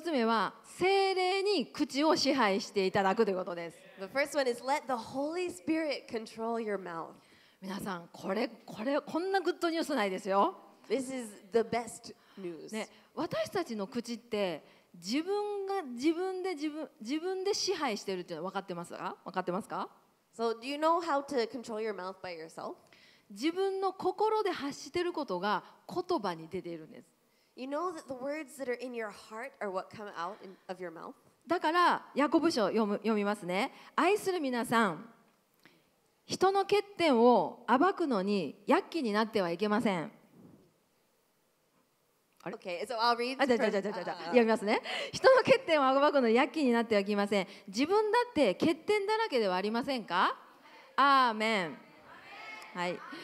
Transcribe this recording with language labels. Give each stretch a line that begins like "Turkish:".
Japanese: つ目は、聖霊に口を支配していただくということです。
English: The first one is let the Holy Spirit control your mouth.
Japanese: 皆さん、こんなグッドニュースないですよ。
English: This is the best news.
Japanese: ね、私たちの口って自分が自分で自分で支配してるって分かってますか？分かってますか？
English: So do you know how to control your mouth by yourself?
Japanese: 自分の心で発してることが言葉に出ているんです。
English: You know that the words that are in your heart are what come out of your mouth?
Japanese: だからヤコブ書読みますね。愛する皆さん、人の欠点を暴くのに躍起になってはいけません。
English: Okay, so I'll read.
Japanese: じゃ読みますね。人の欠点を暴くのに躍起になってはいけません。自分だって欠点だらけではありませんか？アーメン。はい。